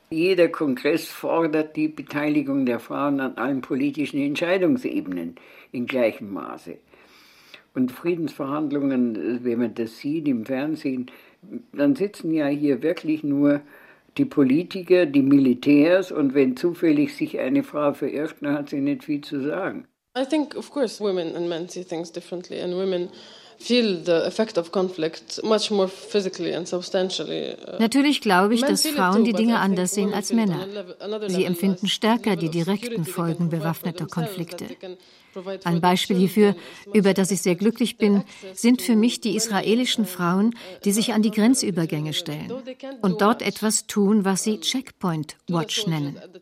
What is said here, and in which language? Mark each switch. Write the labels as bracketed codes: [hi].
[de] Jeder Kongress fordert die Beteiligung der Frauen an allen politischen Entscheidungsebenen in gleichem Maße. Und Friedensverhandlungen, wenn man das sieht im Fernsehen, dann sitzen ja hier wirklich nur die Politiker, die Militärs, und wenn zufällig sich eine Frau verirrt, dann hat sie nicht viel zu sagen. [en] I think, of course, women and men see things differently, and women [de] Natürlich glaube ich, dass Frauen die Dinge anders sehen als Männer. Sie empfinden stärker die direkten Folgen bewaffneter Konflikte. Ein Beispiel hierfür, über das ich sehr glücklich bin, sind für mich die israelischen Frauen, die sich an die Grenzübergänge stellen und dort etwas tun, was sie Checkpoint Watch nennen.